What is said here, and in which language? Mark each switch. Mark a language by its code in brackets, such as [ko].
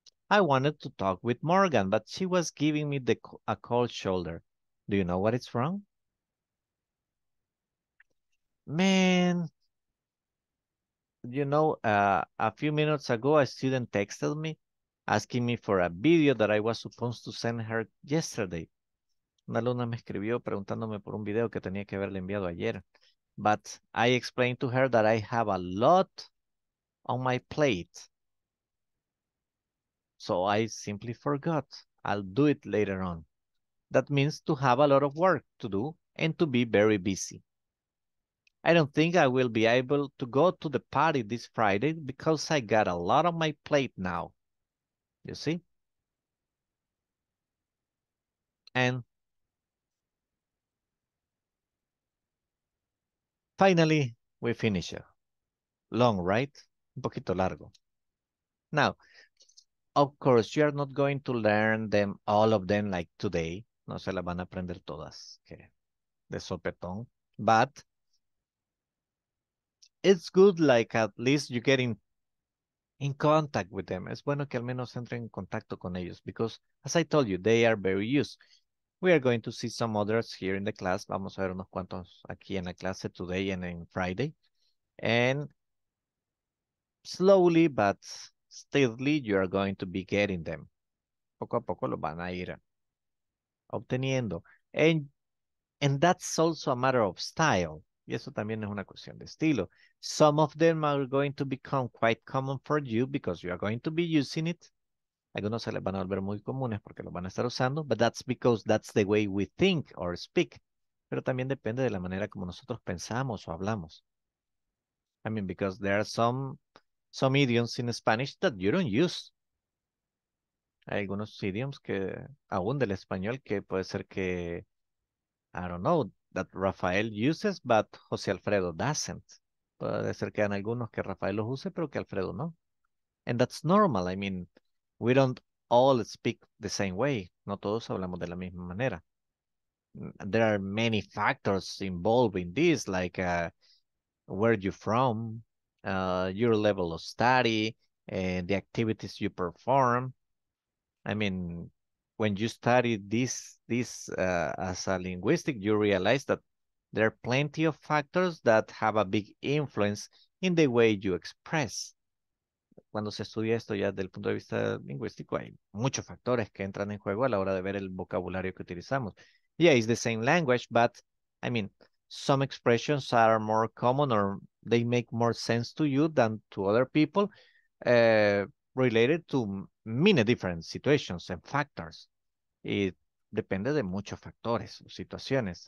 [en] I wanted to talk with Morgan, but she was giving me a cold shoulder. Do you know what is wrong? Man, you know, a few minutes ago, a student texted me asking me for a video that I was supposed to send her yesterday. [es] Una alumna me escribió preguntándome por un video que tenía que haberle enviado ayer. [en] But I explained to her that I have a lot on my plate. So I simply forgot. I'll do it later on. That means to have a lot of work to do and to be very busy. I don't think I will be able to go to the party this Friday because I got a lot on my plate now. You see? And finally, we finish. Long, right? [es] Un poquito largo. [en] Now, of course, you are not going to learn them, all of them, like today. [es] No se las van a aprender todas, okay, de sopetón. [en] But it's good, like, at least you get in contact with them. [es] Es bueno que al menos entren en contacto con ellos, [en] because, as I told you, they are very used. We are going to see some others here in the class. [es] Vamos a ver unos cuantos aquí en la clase [en] today and in Friday. And slowly but steadily, you are going to be getting them. [es] Poco a poco lo van a ir obteniendo. [en] And that's also a matter of style. [es] Y eso también es una cuestión de estilo. [en] Some of them are going to become quite common for you because you are going to be using it. [es] Algunos se les van a volver muy comunes porque lo van a estar usando. [en] But that's because that's the way we think or speak. [es] Pero también depende de la manera como nosotros pensamos o hablamos. [en] I mean, because there are some idioms in Spanish that you don't use. [es] Hay algunos idioms que aún del español que puede ser que, [en] I don't know, that Rafael uses, but José Alfredo doesn't. [es] Puede ser que hay algunos que Rafael los use, pero que Alfredo no. [en] And that's normal. I mean, we don't all speak the same way. [es] No todos hablamos de la misma manera. [en] There are many factors involved in this, like where you're from, your level of study, the activities you perform. I mean, when you study this as a linguistic, you realize that there are plenty of factors that have a big influence in the way you express. [es] Cuando se estudia esto ya desde el punto de vista lingüístico, hay muchos factores que entran en juego a la hora de ver el vocabulario que utilizamos. [en] Yeah, it's the same language, but, I mean, some expressions are more common or they make more sense to you than to other people related to many different situations and factors. [es] It depende de muchos factores o situaciones.